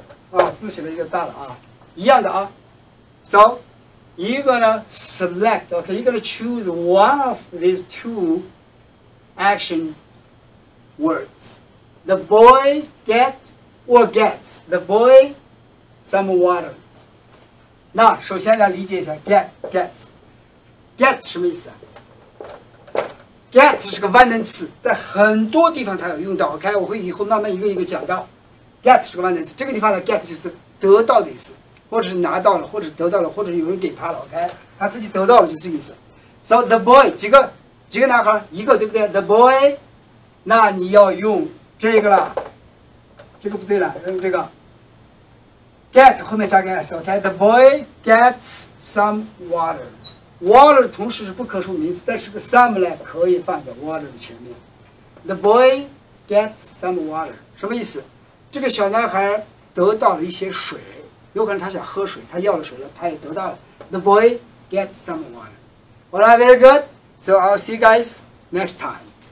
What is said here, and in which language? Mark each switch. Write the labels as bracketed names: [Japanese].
[Chinese] 啊，字写的有点大了啊，一样的啊。 [English] So, you're gonna select, okay? You're gonna choose one of these two action words. The boy gets the boy some water. [Chinese] 那首先来理解一下 get 什么意思啊 ？get 是个万能词，在很多地方它有用到。OK， 我会以后慢慢一个一个讲到。 get 是个万能词，这个地方呢 ，get 就是得到的意思，或者是拿到了，或者是得到了，或者是有人给他了。OK， 他自己得到了就是这个意思。 [English] So the boy [Chinese] 几个男孩，一个对不对 ？ [English] The boy， [Chinese] 那你要用。这个了这个不对了，用这个 get 后面加个 s， OK， [English] the boy gets some water， [Chinese] water 同时是不可数名词，但是个 some 呢可以放在 water 的前面。 [English] The boy gets some water [Chinese] 什么意思？这个小男孩得到了一些水，有可能他想喝水，他要了水了，他也得到了。 [English] The boy gets some water. All right, very good. So I'll see you guys next time.